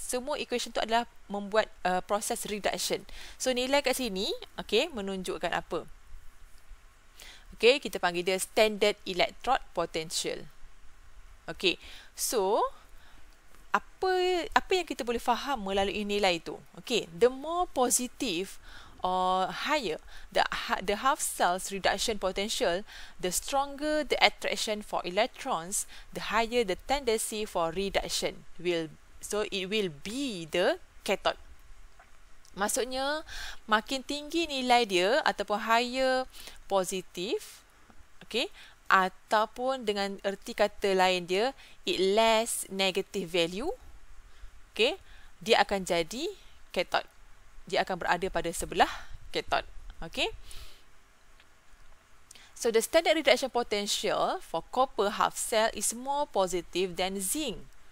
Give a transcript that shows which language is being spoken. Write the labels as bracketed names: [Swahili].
[Malay] Semua equation tu adalah membuat proses reduction. So, nilai kat sini, okay, menunjukkan apa? Okay, kita panggil dia standard electrode potential. Okay, so apa yang kita boleh faham melalui nilai tu? [English] Okay, the more positive or higher the half cell's reduction potential, the stronger the attraction for electrons, the higher the tendency for reduction will, so it will be the cathode. [Malay] Maksudnya, makin tinggi nilai dia ataupun higher positif, okay, ataupun dengan erti kata lain dia, [English] it less negative value, [Malay] okay, dia akan jadi cathode. Dia akan berada pada sebelah cathode. Okay. [English] So, the standard reduction potential for copper half cell is more positive than zinc.